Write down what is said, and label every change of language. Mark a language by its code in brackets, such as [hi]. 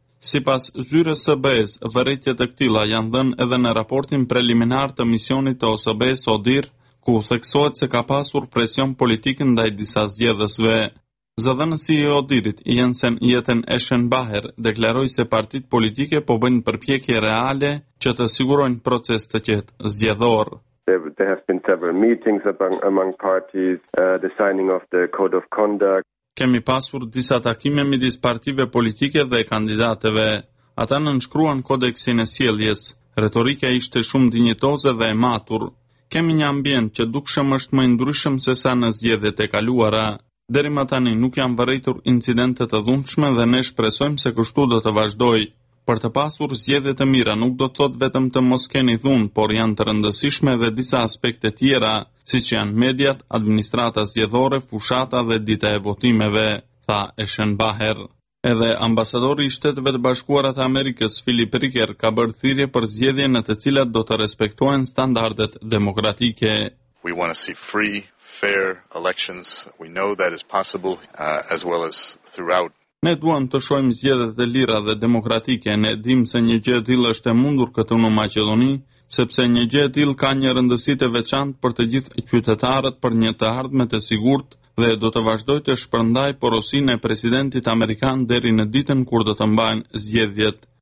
[sq] Sipas zyres së BE-s, vërejtje të këtila janë dhënë edhe në raportin preliminar të misionit të OSBE Sodir, ku theksohet se ka pasur presion politik ndaj disa zgjedhësve. Zëdhënësi i Odirit, Jensen Jeten Eschenbacher, deklaroi se partitë politike po bëjnë përpjekje reale që të sigurojnë proces të qetë zgjedhor. [en] There have been several meetings among parties, the signing of the code of conduct. [sq] Kemi pasur disa takime midis partive politike dhe kandidateve. Ata nënshkruan kodeksin e sjelljes. Retorika ishte shumë dinjitoze dhe e matur. Kemi një ambient që dukshëm është më ndryshëm se sa në zgjedhjet e kaluara. Deri më tani nuk janë vërejtur incidente të dhunshme dhe ne shpresojmë se kështu do të vazhdoj. Për të pasur zgjedhje të mira nuk do të thot vetëm të mos keni dhunë, por janë të rëndësishme dhe disa aspekte tjera, si që janë mediat, administrata zgjedhore, fushata dhe dita e votimeve, tha Eschenbacher. Edhe ambasadori i Shteteve të Bashkuara të Amerikës, Filip Riker, ka bërë thirrje për zgjedhje në të cilat do të respektohen standardet demokratike. [en] We want to see free, fair elections. We know that is possible as well as throughout. [sq] Ne duam të shohim zgjedhjet e lira dhe demokratike. Ne dim se një gjë e tillë është e mundur këtu në Maqedoni, sepse një gjë e tillë ka një rëndësi të veçantë për të gjithë qytetarët për një të ardhmë të sigurt dhe do të vazhdoj të shpërndaj porosinë e presidentit amerikan deri në ditën kur do të mbajnë zgjedhjet.